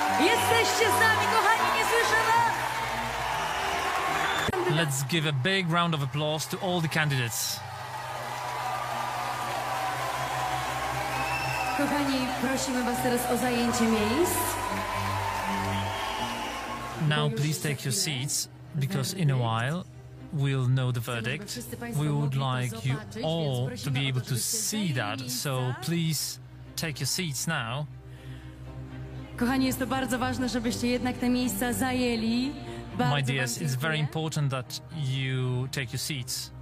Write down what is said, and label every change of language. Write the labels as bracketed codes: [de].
[pl] Jesteście z nami, kochani, nie słyszymy. [en] Let's give a big round of applause to all the candidates. [pl] Kochani, prosimy was teraz o zajęcie miejsc. [en] Now, please take your seats. Because in a while we'll know the verdict. We would like you all to be able to see that, so please take your seats now. [pl] Kochani, jest to bardzo ważne, żebyście jednak te miejsca zajęli. [en] My dears, it's very important that you take your seats.